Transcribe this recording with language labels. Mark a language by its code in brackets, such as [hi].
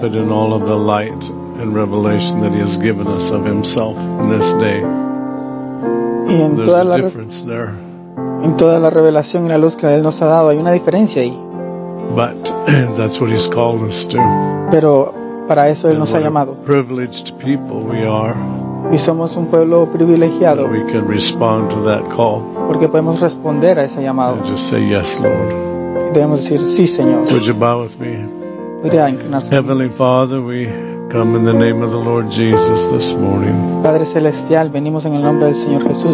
[en] But in all of the light and revelation that he has given us of himself in this day, [es] y en [en] there's [es] toda [en] a [es] la [en] difference there. [es] En toda la revelación y la luz que él nos ha dado, hay una diferencia ahí. [en] But that's what he's called us to. [es] Pero para eso él nos ha llamado. [en] Privileged people we are. [es] Y somos un pueblo privilegiado. [en] We can respond to that call. [es] Porque podemos responder a ese llamado. [en] And just say yes, Lord. [es] Y debemos decir sí, Señor. [en] Would you bow with me? [es] ¿Podría inclinarse? [en] Heavenly Father, we come in the name of the Lord Jesus this morning. [es] Padre celestial, venimos en el nombre del Señor Jesús.